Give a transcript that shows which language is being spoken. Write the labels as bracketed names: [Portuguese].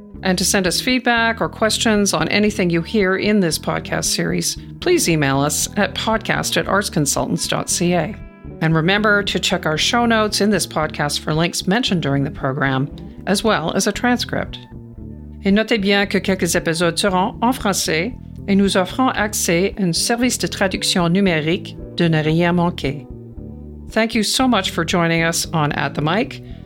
[English] And to send us feedback or questions on anything you hear in this podcast series, please email us at podcast@artsconsultants.ca. And remember to check our show notes in this podcast for links mentioned during the program, as well as a transcript. [French] Et notez bien que quelques épisodes seront en français et nous offrons accès à un service de traduction numérique de ne rien manquer. [English] Thank you so much for joining us on At the Mic.